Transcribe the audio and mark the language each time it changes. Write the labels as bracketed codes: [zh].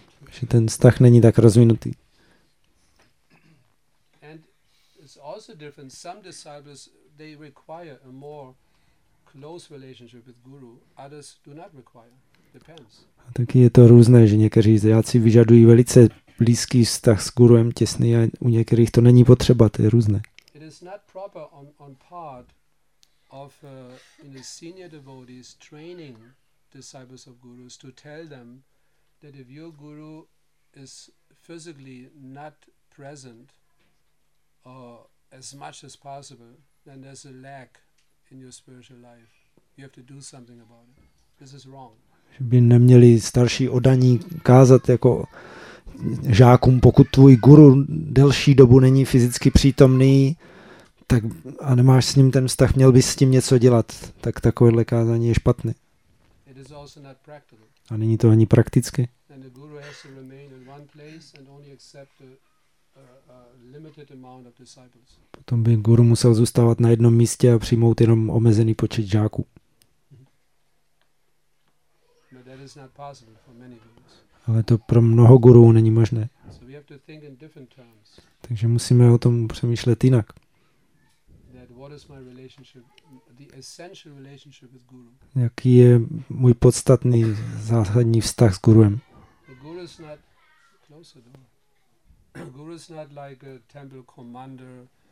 [cs] Že ten vztah není tak rozvinutý. [en] And it's also different. Some disciples they require a more close relationship with guru. Others do not require. Depends. [cs] A taky je to různé, že někteří žáci vyžadují velice blízký vztah s guruem, těsný, a u některých to není potřeba. To je různé. [en] It is not proper on part of in the senior devotees training disciples of gurus to tell them that if your guru is physically not present as much as possible, then there's a lack in your spiritual life. You have to do something about it. This is wrong. [cs] Že by neměli starší odaní kázat jako žákům, pokud tvůj guru delší dobu není fyzicky přítomný, tak a nemáš s ním ten vztah, měl bys s tím něco dělat. Tak takovéhle kázání je špatné. [en] It is also not practical. [cs] A není to ani prakticky. [en] And the guru has to remain in one place and only accept a limited amount of disciples. [cs] Potom by guru musel zůstávat na jednom místě a přijmout jenom omezený počet žáků. [en] But that is not possible for many gurus. [cs] Ale to pro mnoho gurů není možné. [en] So we have to think in different terms. [cs] Takže musíme o tom přemýšlet jinak. [en] That what is my relationship, the essential relationship with guru. [cs] Jaký je můj podstatný zásadní vztah s guruem? [en] Guru is not close at all. Guru is not like a temple commander